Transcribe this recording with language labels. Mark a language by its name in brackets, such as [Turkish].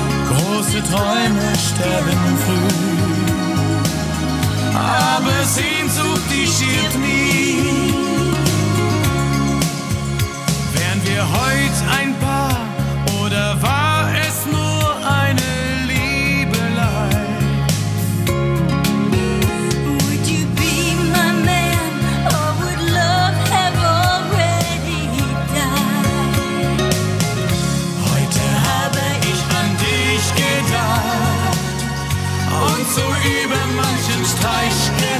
[German] Große Träume sterben früh, aber Sehnsucht, die schiert nie. Wären wir heute ein Paar oder war es nur eine Liebelei? [English] Would you be my man or would love have already died? [German] Heute habe ich an dich gedacht und so über manchen Streich.